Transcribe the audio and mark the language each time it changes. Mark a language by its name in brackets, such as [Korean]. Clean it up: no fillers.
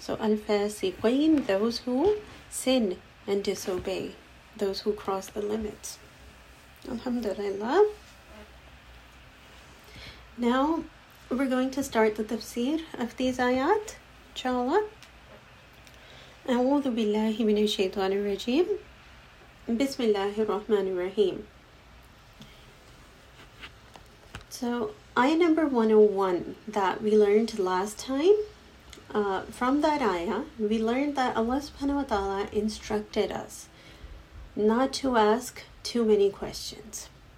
[English] So al-fasiqin, those who sin and disobey, those who cross the limits. Alhamdulillah. Now we're going to start the tafsir of these ayat, inshallah. [Arabic] أعوذ بالله من الشيطان الرجيم بسم الله الرحمن الرحيم. [English] So ayah number 101 that we learned last time, from that ayah we learned that Allah subhanahu wa ta'ala instructed us not to ask too many questions.